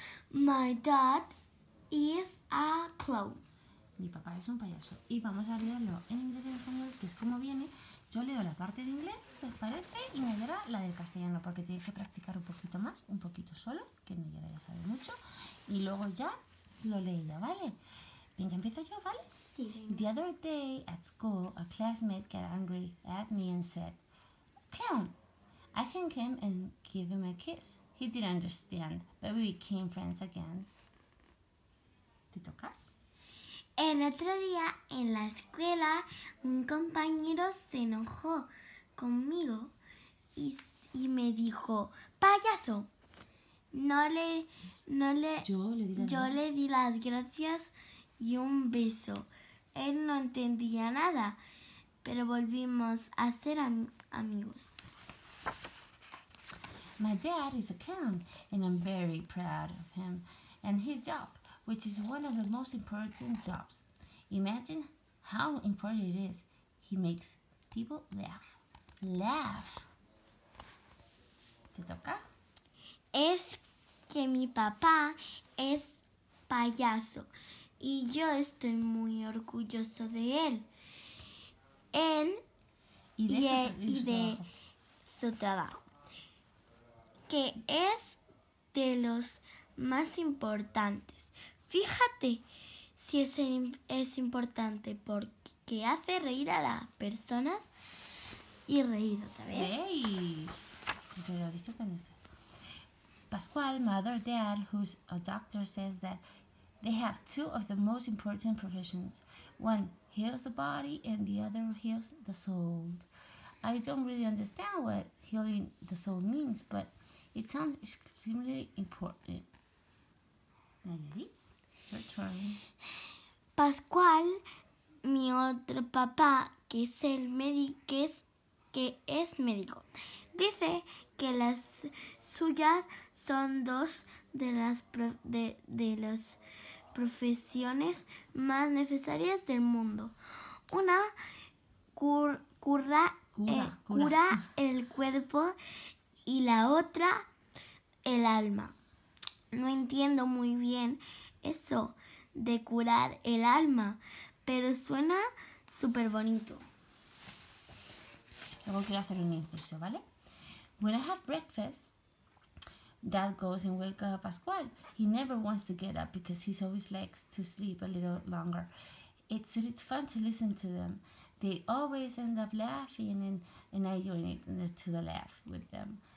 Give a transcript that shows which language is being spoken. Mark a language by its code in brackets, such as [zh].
[en] My dad is a clown. [es] Mi papá es un payaso. Y vamos a leerlo en inglés y en español, que es como viene. Yo leo la parte de inglés, ¿te parece? Y Nayara la del castellano, porque tienes que practicar un poquito más, un poquito solo, que Nayara ya sabe mucho. Y luego ya lo lee ya, ¿vale? Venga, empiezo yo, ¿vale? Sí. [en] The other day at school, a classmate got angry at me and said, "Clown, I thank him and give him a kiss. He didn't understand, but we became friends again." [es] ¿Te toca? El otro día en la escuela un compañero se enojó conmigo y me dijo, "Payaso." Yo le di las gracias y un beso. Él no entendía nada, pero volvimos a ser amigos. [en] My dad is a clown and I'm very proud of him and his job, which is one of the most important jobs. Imagine how important it is. He makes people laugh. Laugh. [es] ¿Te toca? Es que mi papá es payaso y yo estoy muy orgulloso de él. Él y de su trabajo. Que es de los más importantes. Fíjate si es importante porque hace reír a las personas y reír otra vez. ¡Ey! Se lo dije con eso. [en] Pascual, mother, dad, who's a doctor, says that they have two of the most important professions. One heals the body and the other heals the soul. I don't really understand what healing the soul means, but it sounds extremely important. [es] ¿Nayeli? Pascual, mi otro papá, que es médico, dice que las suyas son dos de las profesiones más necesarias del mundo. Una cura el cuerpo y la otra el alma. No entiendo muy bien eso de curar el alma, pero suena súper bonito. Luego quiero hacer un inciso, ¿vale? [en] When I have breakfast, Dad goes and wake up Pascual. He never wants to get up because he always likes to sleep a little longer. It's fun to listen to them. They always end up laughing and I join it to the laugh with them.